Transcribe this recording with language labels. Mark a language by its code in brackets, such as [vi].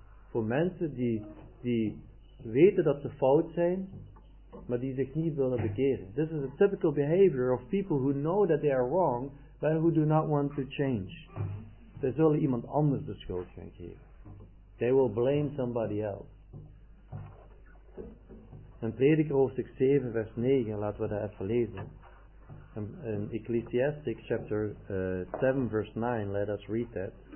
[nl] Voor mensen die weten dat ze fout zijn, maar die zich niet willen bekeren. [en] This is a typical behavior of people who know that they are wrong, but who do not want to change. [nl] Ze zullen iemand anders de schuld gaan geven. [en] They will blame somebody else. [nl] In Prediker hoofdstuk 7 vers 9, laten we dat even lezen. [en] In Ecclesiastic chapter 7 verse 9, let us read that.